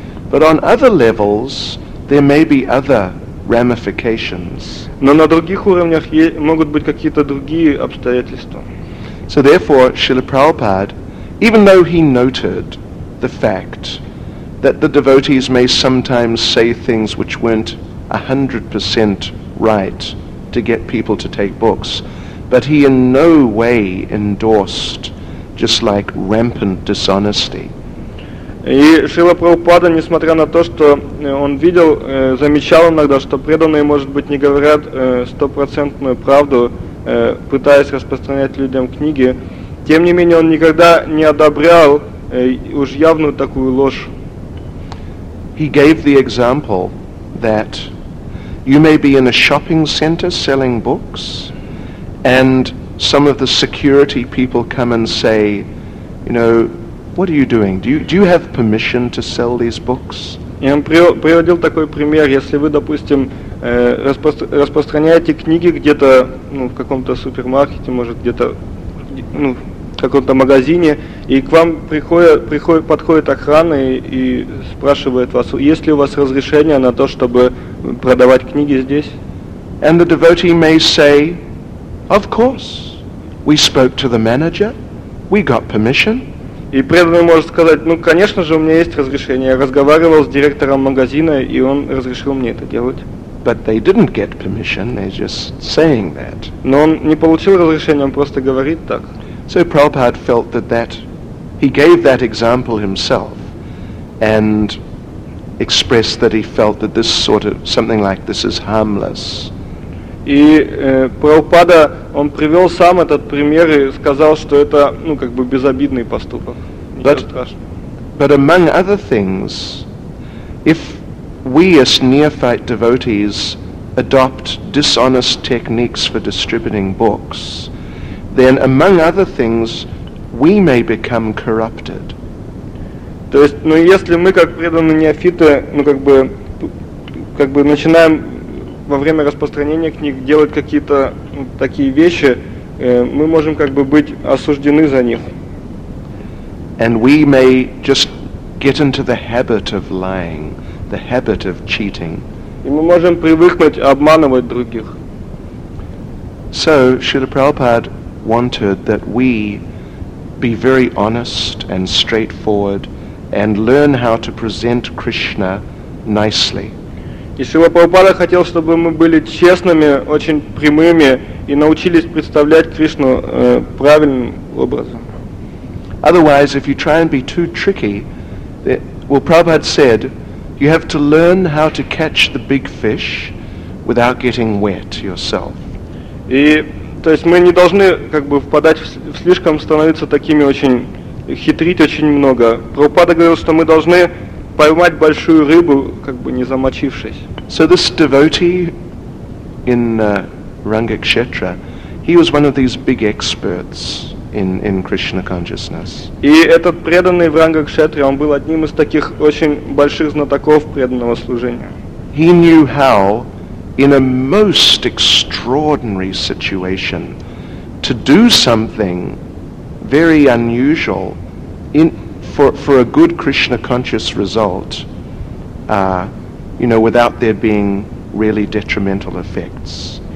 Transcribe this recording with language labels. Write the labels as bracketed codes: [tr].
[en] But on other levels, there may be other ramifications. [ru] Но на других уровнях могут быть какие-то другие обстоятельства. [en] So therefore, Srila Prabhupada, even though he noted the fact that the devotees may sometimes say things which weren't 100% right to get people to take books, but he in no way endorsed just like rampant dishonesty. [ru] И Шрила Прабхупада, несмотря на то, что он видел, замечал иногда, что преданные, может быть, не говорят стопроцентную правду, пытаясь распространять людям книги, тем не менее он никогда не одобрял уж явную такую ложь. [en] He gave the example that you may be in a shopping center selling books, and some of the security people come and say, you know, what are you doing? Do you have permission to sell these books? [ru] Я приводил такой пример, если вы, допустим, распространяете книги где-то, ну, в каком-то супермаркете, может, где-то, ну, в каком-то магазине, и к вам подходит охрана и спрашивает вас, есть ли у вас разрешение на то, чтобы продавать книги здесь? [en] And the devotee may say, of course, we spoke to the manager, we got permission. [ru] И преданный может сказать, ну, конечно же, у меня есть разрешение. Я разговаривал с директором магазина, и он разрешил мне это делать. [en] But they didn't get permission, they're just saying that. [ru] Но он не получил разрешение, он просто говорит так. [en] So Prabhupada felt that he gave that example himself and expressed that he felt that this sort of, something like this is harmless. [ru] И Прабхупада, он привел сам этот пример и сказал, что это, ну, как бы безобидный поступок. Ничего страшного. [en] But among other things, if we as neophyte devotees adopt dishonest techniques for distributing books, then among other things, we may become corrupted. [ru] То есть, ну, если мы, как преданные неофиты, ну, как бы начинаем во время распространения книг делать какие-то такие вещи, мы можем как бы быть осуждены за них. [en] And we may just get into the habit of lying, the habit of cheating. [ru] И мы можем привыкнуть обманывать других. [en] So Srila Prabhupada wanted that we be very honest and straightforward and learn how to present Krishna nicely. [ru] И Шрила Прабхупада хотел, чтобы мы были честными, очень прямыми и научились представлять Кришну правильным образом. [en] Otherwise, if you try and be too tricky, well, Prabhupada said, you have to learn how to catch the big fish without getting wet yourself. [ru] И, то есть, мы не должны как бы впадать в слишком становиться такими очень хитрить очень много. Прабхупада говорил, что мы должны поймать большую рыбу, как бы не замочившись. [en] So this devotee in Rangakshetra, he was one of these big experts in Krishna consciousness. [ru] И этот преданный в Рангакшетре, он был одним из таких очень больших знатоков преданного служения. [en] He knew how, in a most extraordinary situation, to do something very unusual for a good Krishna conscious result, you know, without there being really detrimental effects.